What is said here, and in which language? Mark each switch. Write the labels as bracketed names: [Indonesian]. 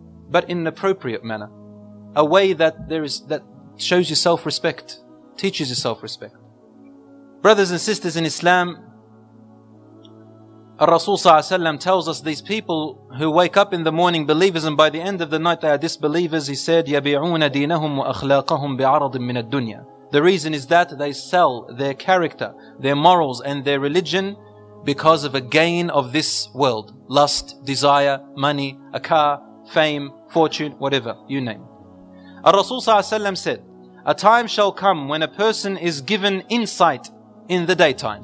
[English] But in an appropriate manner. A way that shows you self-respect. Teaches you self-respect. Brothers and sisters in Islam, Rasul Sallallahu Alaihi Wasallam tells us these people who wake up in the morning believers and by the end of the night they are disbelievers. [Arabic] He said, يَبِعُونَ دِينَهُمْ وَأَخْلَاقَهُمْ بِعَرَضٍ مِّنَ الدُّنْيَا. [English] The reason is that they sell their character, their morals and their religion because of a gain of this world. Lust, desire, money, a car, fame, fortune, whatever, you name. [Arabic] الرسول صلى الله عليه وسلم [English] said, a time shall come when a person is given insight in the daytime.